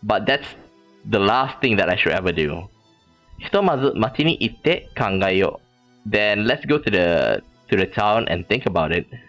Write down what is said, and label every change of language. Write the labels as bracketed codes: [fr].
[en] But that's the last thing that I should ever do. [ja] ひとまず町に行って考えよう. [en] Then let's go to the town and think about it.